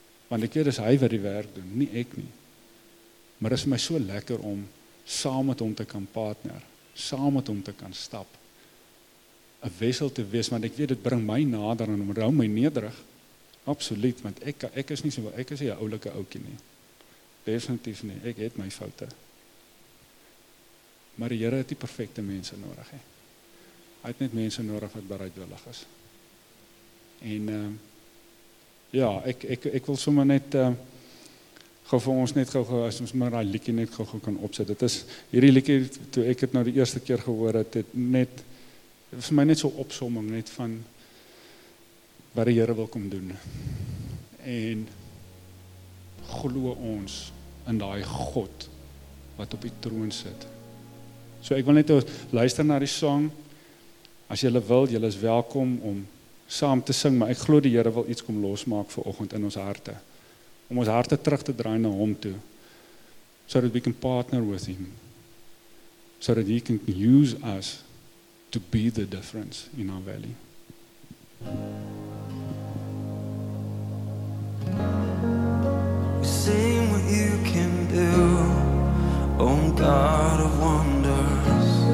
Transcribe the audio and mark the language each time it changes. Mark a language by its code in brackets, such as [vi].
[af] Want ek weet dis hy wat die werk doen, nie ek nie. Maar dit is my so lekker om saam met hom te kan partner, saam met hom te kan stap, 'n wessel te wees, want ek weet dit bring my nader en hou my nederig. Absoluut, want ek is nie so, ek is nie 'n oulike ouetjie nie. Definitief nie, ek het my foute. Maar die Here het die perfekte mense nodig. He. Hy het net mense nodig wat bereidwillig is. En ek wil sommer net gou vir ons net gou as ons maar daai liedjie net gou kan opsit. Dit is hierdie liedjie toe ek het nou die eerste keer gehoor het, het net vir my net so opsomming net van wat die Here wil kom doen. En glo ons in daai God wat op die troon sit. So ek wil net luister na die song. As julle wil, julle is welkom om saam te sing, maar ek glo die Here wil iets kom losmaak vir oggend in ons harte. Om ons harte terug te draai na hom toe. [en] So that we can partner with him. So that he can use us to be the difference in our valley. Sing what you can do, oh God of wonders.